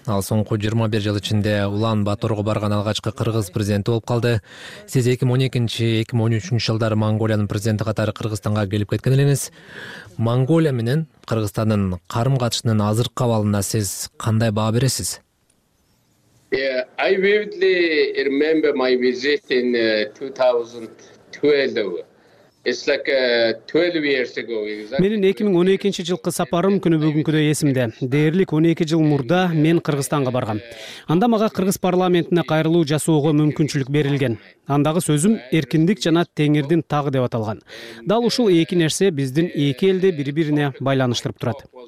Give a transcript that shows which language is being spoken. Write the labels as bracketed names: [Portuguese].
[Kyrgyz] Ал соңку 21 жыл ичинде Улан Баторго барган алгачкы кыргыз президенти болуп калды. Сиз 2012-2013 жылдары Монголиянын президенти катары Кыргызстанга келип кеткен элеңиз. Монголия менен Кыргызстандын карым катышынын азыркы абалына сиз кандай баа бересиз? [English] Yeah, I vividly remember my visit in 2012. It's like 12 years ago. [Kyrgyz] Менин 2012 жылкы сапарым күнү бүгүнкүдөй эсимде. Дээрлик 12 жыл мурда мен Кыргызстанга баргам. Анда мага Кыргыз парламентине кайрылуу жасоого мүмкүнчүлүк берилген. Андагы сөзүм эркиндик жана теңирдин тагы деп аталган. Дал ушул эки нерсе биздин эки элди бири-бирине байланыштырып турат.